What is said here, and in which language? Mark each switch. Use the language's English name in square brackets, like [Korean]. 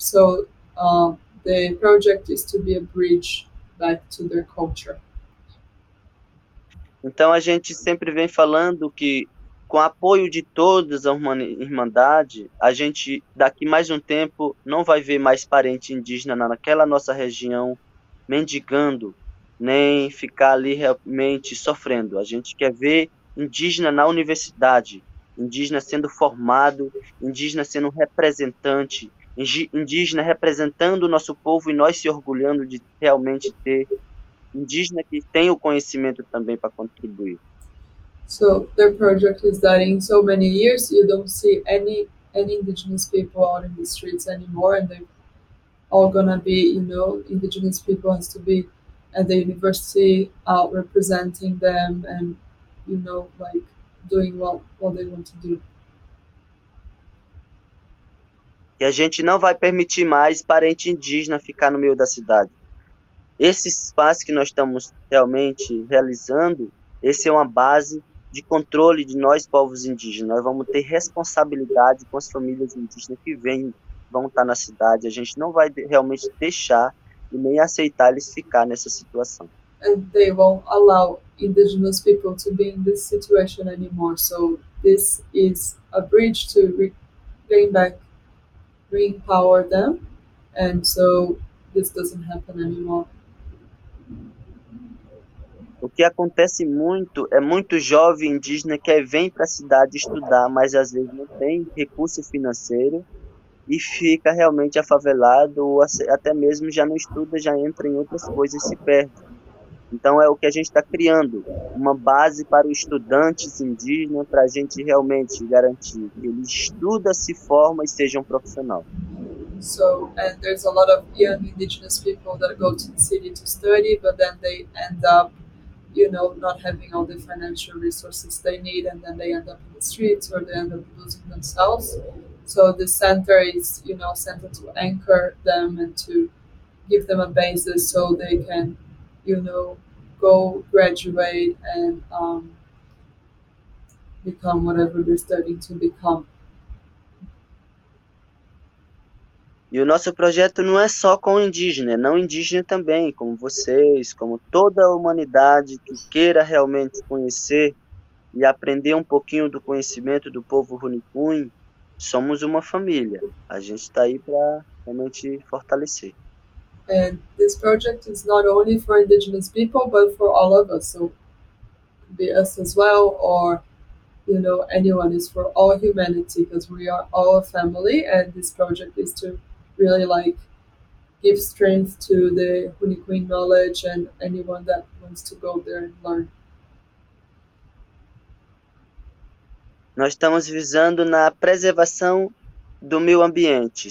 [English] So the project is to be a bridge back to their culture. [Portuguese] Então, a gente sempre vem falando que, com o apoio de todas a Irmandade, a gente, daqui mais um tempo, não vai ver mais parente indígena naquela nossa região mendigando, nem ficar ali realmente sofrendo. A gente quer ver indígena na universidade, indígena sendo formado, indígena sendo representante, indígena representando o nosso povo e nós se orgulhando de realmente ter indígena que tem o conhecimento também para contribuir. [English] So their project is that in so many years you don't see any indigenous people out in the streets anymore, and they're all gonna be, indigenous people has to be at the university out representing them and, like doing what they want to do. [Portuguese] E a gente não vai permitir mais parente indígena ficar no meio da cidade. Esse espaço que nós estamos realmente realizando, esse é uma base de controle de nós, povos indígenas. Nós vamos ter responsabilidade com as famílias indígenas que vêm, vão estar na cidade. A gente não vai realmente deixar e nem aceitar eles ficar nessa situação. [English] And they won't allow indigenous people to be in this situation anymore. So this is a bridge to bring back, re-empower them. And so this doesn't happen anymore. [Portuguese] O que acontece muito é muito jovem indígena que vem para a cidade estudar, mas às vezes não tem recurso financeiro e fica realmente afavelado, ou até mesmo já não estuda, já entra em outras coisas e se perde. Então é o que a gente está criando, uma base para os estudantes indígenas, para a gente realmente garantir que ele estuda, se forma e seja um profissional. [English] So, and there's a lot of young indigenous people that go to the city to study, but then they end up, not having all the financial resources they need, and then they end up in the streets or they end up losing themselves. So the center is, a center to anchor them and to give them a basis so they can, go graduate and become whatever they're studying to become. [Portuguese] E o nosso projeto não é só com indígena, é não indígena também, como vocês, como toda a humanidade que queira realmente conhecer e aprender um pouquinho do conhecimento do povo Runicuim, somos uma família. A gente está aí para realmente fortalecer. [English] And this project is not only for indigenous people, but for all of us. So, could be us as well, or anyone. It's for all humanity because we are all a family. And this project is to really give strength to the Huniquin knowledge and anyone that wants to go there and learn. [Portuguese] Nós estamos visando na preservação do meio ambiente.